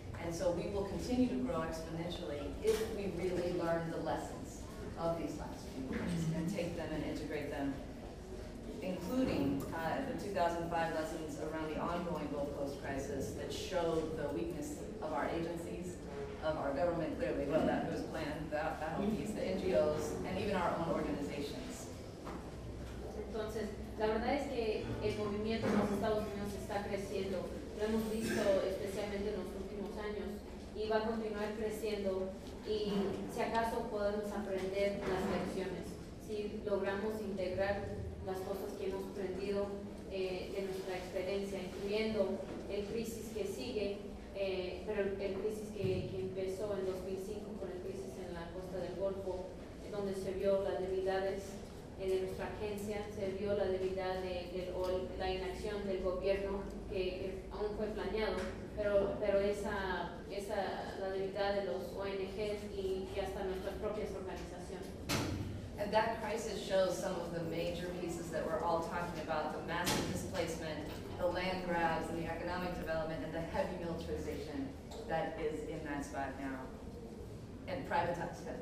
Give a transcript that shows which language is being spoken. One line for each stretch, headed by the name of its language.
English: And so we will continue to grow exponentially if we really learn the lessons of these last and take them and integrate them, including the 2005 lessons around the ongoing Gulf Coast crisis that showed the weakness of our agencies of our government, clearly, well, that was planned, that helps the NGOs, and even our own organizations.
Spanish: Entonces, la verdad es que el movimiento en los Estados Unidos está creciendo. Lo hemos visto especialmente en los últimos años y va a continuar creciendo y si acaso podemos aprender las lecciones, si logramos integrar las cosas que hemos aprendido de nuestra experiencia, incluyendo el crisis que sigue, pero el crisis que empezó en 2005 con el crisis en la costa del Golfo, donde se vio las debilidades de nuestra agencia, se vio la debilidad la inacción del gobierno que aún fue planeado, pero esa la debilidad de los ONGs y hasta nuestras propias organizaciones.
English: And that crisis shows some of the major pieces that we're all talking about, the massive displacement, the land grabs, and the economic development, and the heavy militarization that is in that spot now, and privatized.